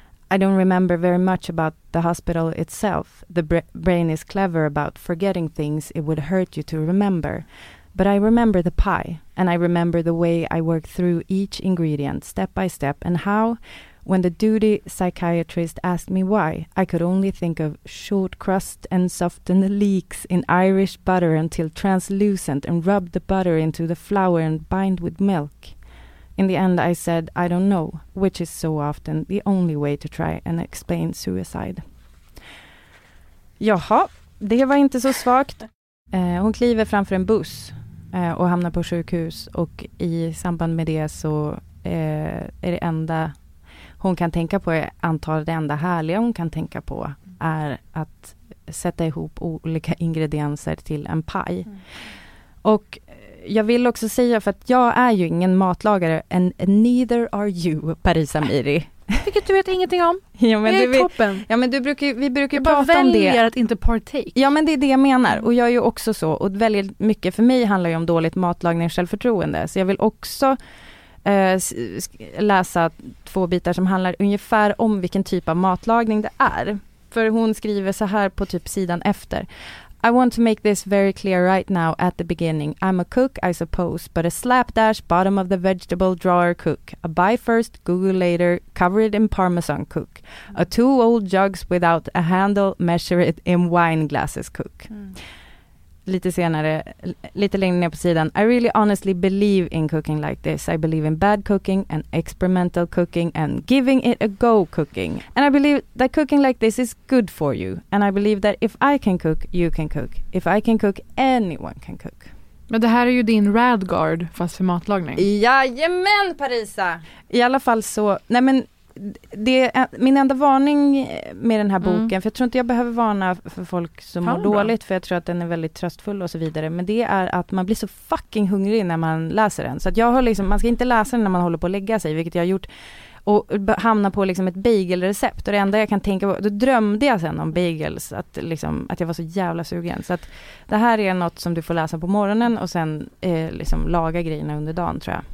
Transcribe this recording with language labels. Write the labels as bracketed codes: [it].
[en] I don't remember very much about the hospital itself. The brain is clever about forgetting things it would hurt you to remember, but I remember the pie, and I remember the way I worked through each ingredient step by step, and how, when the duty psychiatrist asked me why, I could only think of short crust and softened leeks in Irish butter until translucent and rub the butter into the flour and bind with milk. In the end, I said, I don't know, which is so often the only way to try and explain suicide. [sv] Jaha, det var inte så svagt. Hon kliver framför en buss och hamnar på sjukhus, och i samband med det så är det enda hon kan tänka på, antar det enda härliga hon kan tänka på, är att sätta ihop olika ingredienser till en paj. Och jag vill också säga, för att jag är ju ingen matlagare, [en] and neither are you, [sv] Paris Amiri. Vilket du vet ingenting om. Ja, men jag är du, toppen. Ja, men du brukar, vi brukar prata om det. Jag väljer att inte partake. Ja, men det är det jag menar. Och jag är ju också så. Och väldigt mycket för mig handlar ju om dåligt matlagning och självförtroende. Så jag vill också läsa två bitar som handlar ungefär om vilken typ av matlagning det är. För hon skriver så här på typ sidan efter. [en] I want to make this very clear right now at the beginning. I'm a cook, I suppose, but a slapdash bottom of the vegetable drawer cook. A buy first, Google later, cover it in parmesan cook. A two old jugs without a handle, measure it in wine glasses cook. [sv] Lite senare, lite längre ner på sidan. [en] I really honestly believe in cooking like this. I believe in bad cooking and experimental cooking and giving it a go cooking. And I believe that cooking like this is good for you. And I believe that if I can cook, you can cook. If I can cook, anyone can cook. [sv] Men det här är ju din Radgard, fast för matlagning. Jajamän, Parisa! I alla fall så, nej men det är min enda varning med den här boken, för jag tror inte jag behöver varna för folk som mår dåligt, för jag tror att den är väldigt tröstfull och så vidare, men det är att man blir så fucking hungrig när man läser den, så att jag har liksom, man ska inte läsa den när man håller på att lägga sig, vilket jag har gjort, och hamna på liksom ett bagelrecept, och det enda jag kan tänka på, då drömde jag sen om bagels, att liksom att jag var så jävla sugen, så att det här är något som du får läsa på morgonen och sen liksom laga grejerna under dagen, tror jag.